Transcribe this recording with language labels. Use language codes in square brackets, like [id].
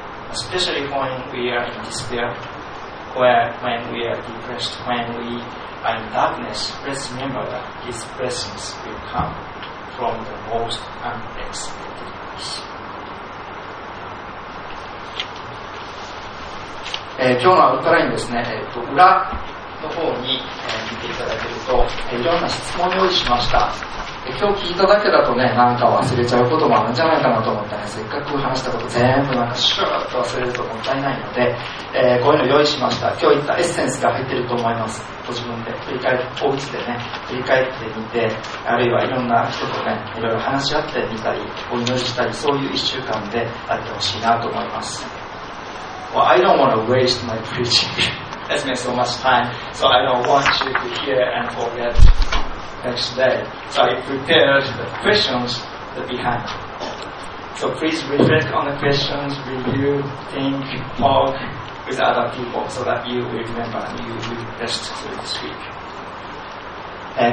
[en] Especially when we are in despair, when we are depressed, when weAnd darkness, let's remember that His blessings will come from the most unexpected place. [ja] 今日のアウトラインですね、裏の方に、見ていただけると、いろんな質問を用意しました。今日聞いただけだとね、なんか忘れちゃうこともあるんじゃないかなと思ったね。せっかく話したこと全部なんかシューッと忘れるともったいないので、こういうの用意しました。今日言ったエッセンスが入ってると思います。ご自分で振り返り、お家でね、振り返ってみて、あるいはいろんな人とね、いろいろ話し合ってみたり、お祈りしたり、そういう1週間であってほしいなと思います。 [en] Well, I don't want to waste my preaching. It's been so much time, so I don't want you to hear and forgetNext day. So I prepared the questions that behind. So please reflect on the questions, review, think, talk with other people so that you will remember and you will be blessed through this week.